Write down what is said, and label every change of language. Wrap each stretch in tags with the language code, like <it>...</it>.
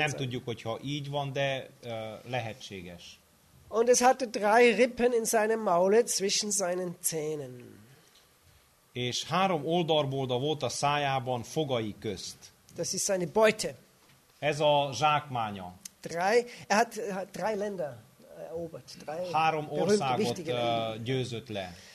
<hu>nem</hu> <de>sein.</de> <hu>Tudjuk, hogyha így van, de lehetséges.</hu> <de>Und es hatte drei Rippen in seinem Maule zwischen seinen Zähnen.</de> <hu>És három oldalbolda volt a szájában fogai közt.</hu> <de>Das ist seine Beute.</de> <hu>Ez a zsákmánya.</hu> <de>Er hat drei Länder erobert.</de> <hu>Három országot győzött le.</hu>